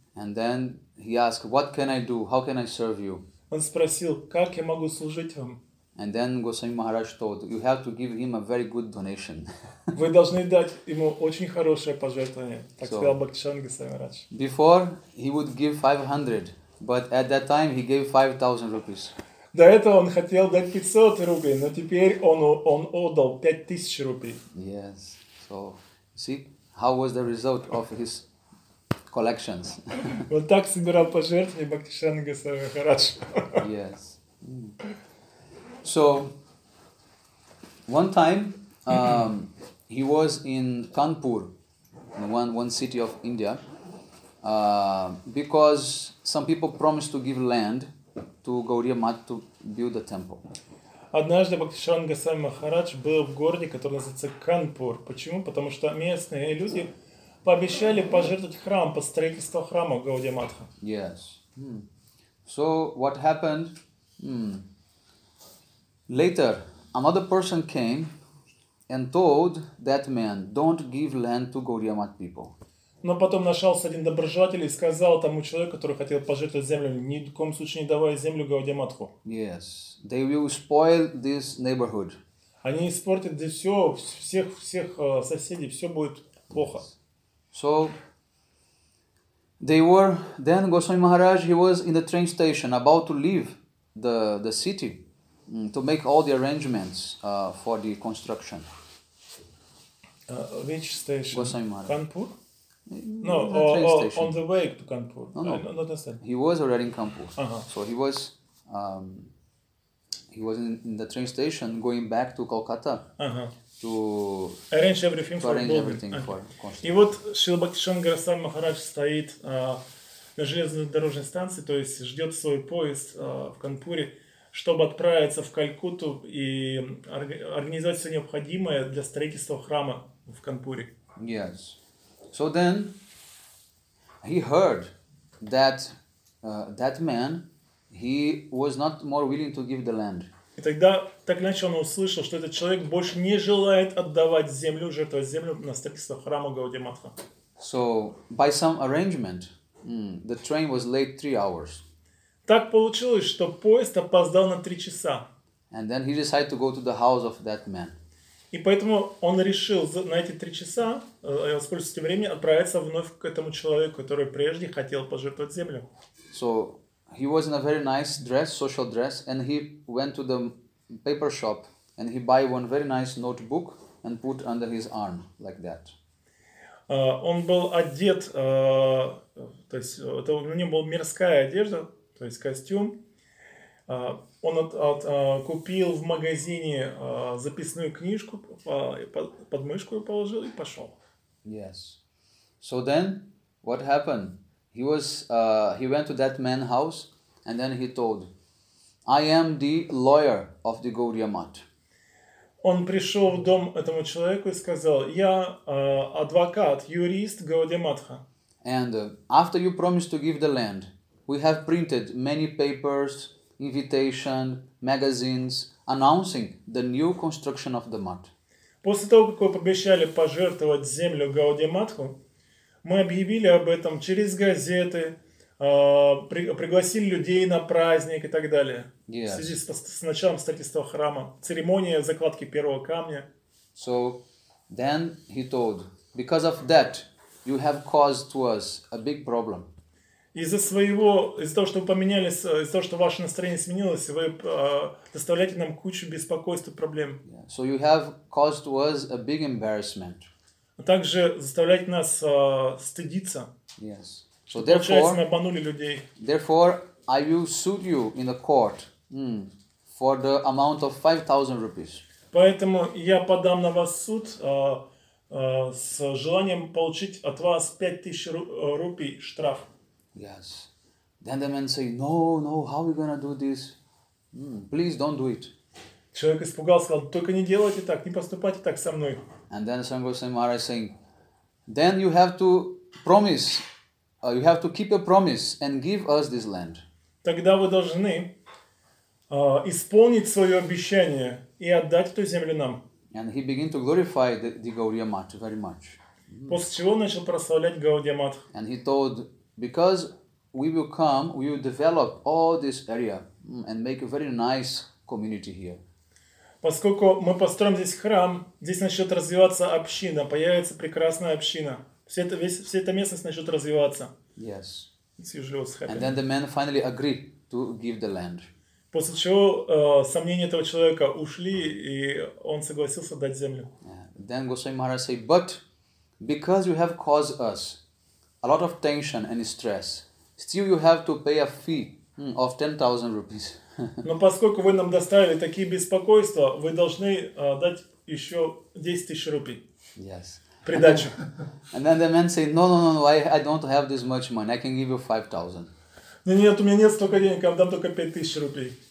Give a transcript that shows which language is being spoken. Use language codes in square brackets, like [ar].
[en] And then he asked, "What can I do? How can I serve you?" [ru] Он спросил, как я могу служить вам? [en] And then Goswami Maharaj told, "You have to give him a very good donation." [ru] Вы должны дать ему очень хорошее пожертвование, так сказал Бхактишанта Goswami Maharaj. [en] Before he would give 500, but at that time he gave 5,000 rupees. [ru] До этого он хотел дать 500 рупий, но теперь он отдал 5,000 рупий. [en] Yes, so. See how was the result of his collections. [ru] Вот так собирал пожертвования Бхактишанта Goswami Maharaj. [en] Yes. So one time he was in Kanpur, one city of India, because some people promised to give land to Gaudiya Math to build a temple. [ru] однажды Бхактишиванта Госвами Махарадж был в городе, который называется Канпур. Почему? Потому что местные люди пообещали пожертвовать храм, по строительству храма Гауди Матха. [en] Yes. So, what happened? Later, another person came and told that man, don't give land to Gaudiamath people. [ru] Но потом нашелся один доброжелатель и сказал тому человеку, который хотел пожертвовать землю, ни в коем случае не давая землю Гаудиаматху. [en] Yes. They will spoil this neighborhood. [ru] Они испортят здесь все, всех соседей, все будет плохо. [en] So, they were, then Goswami Maharaj, he was in the train station, about to leave the city to make all the arrangements for the construction. Which station? Goswami Maharaj. Kanpur? No, on the way to Kanpur. No, no. I understand. He was already in Kanpur. Uh-huh. So he was in the train station going back to Kolkata. Uh-huh. To arrange everything [ru] И вот Шрила Бхактишиванта Госвами Махарадж стоит на железнодорожной станции, то есть ждет свой поезд в Канпуре, чтобы отправиться в Калькутту и организовать все необходимое для строительства храма в Канпуре. [en] Yes. So then, he heard that that man, he was not more willing to give the land. [ru] И тогда так начал он услышал, что этот человек больше не желает отдавать землю, жертвовать землю на строительство храма Гауди Матха. [en] So by some arrangement, the train was late 3 hours. [ru] Так получилось, что поезд опоздал на 3 часа. [en] And then he decided to go to the house of that man. [ru] И поэтому он решил на эти 3 часа, воспользуясь этим временем, отправиться вновь к этому человеку, который прежде хотел пожертвовать землю. [en] So he was in a very nice dress, social dress, and he went to the paper shop and he buy one very nice notebook and put under his arm like that. [ru] Он был одет, то есть это у него была мирская одежда, то есть костюм. Он купил в магазине записную книжку, под мышку положил и пошел. [en] Yes. So then, what happened? He was he went to that man's house and then he told, I am the lawyer of the Gaudiya Math. [ru] Он пришел в дом этому человеку и сказал, я адвокат, юрист Gaudiya Matha. [en] And after you promised to give the land, we have printed many papers, invitation, magazines, announcing the new construction of the mat. [ru] После того, как вы пообещали пожертвовать землю Гауди Матху, мы объявили об этом через газеты, пригласили людей на праздник и так далее. [en] Yes. [ru] В связи с началом строительства храма, церемония закладки первого камня. [en] So, then he told, because of that, you have caused to us a big problem. [ru] Из-за того, что ваше настроение сменилось, вы доставляете нам кучу беспокойств и проблем. [en] Yeah. So you have caused us a big embarrassment. [ru] Также заставляете нас стыдиться. [en] Yes. So therefore, [ru] мы обманули людей. [en] Therefore, I will sue you in the court for the amount of 5,000 rupees. [ru] Поэтому я подам на вас суд с желанием получить от вас 5,000 рупий штраф. [en] Yes. Then the man say, no, no, how are we gonna do this? Please don't do it. [ru] Человек испугался, сказал, только не делайте так, не поступайте так со мной. [en] And then Swami Goswami Maharaj saying, then you have to promise, you have to keep a promise and give us this land. [ru] Тогда вы должны исполнить свое обещание и отдать эту землю нам. [en] And he begin to glorify the Gaudiya Math very much. [ru] После чего начал прославлять Gaudiya Math. [en] And he told, because we will come, we will develop all this area and make a very nice community here. [ru] Поскольку мы построим здесь храм, здесь начнет развиваться община, появится прекрасная община. Вся эта местность начнет развиваться. [en] Yes. It's usually what's happening. And then the man finally agreed to give the land. [ru] После чего сомнения этого человека ушли, и он согласился дать землю. [en] Yeah. Then Goswami Maharaj said, but because you have caused us a lot of tension and stress, still you have to pay a fee of 10,000 rupees. [ru] Но поскольку вы нам доставили такие беспокойства, вы должны дать еще 10,000 рупий. [en] Yes. [ru] Придачу. [en] And then the man say, no, I don't have this much money. I can give you 5,000. [ru] Нет, у меня нет столько денег, я дам только 5,000 рупий.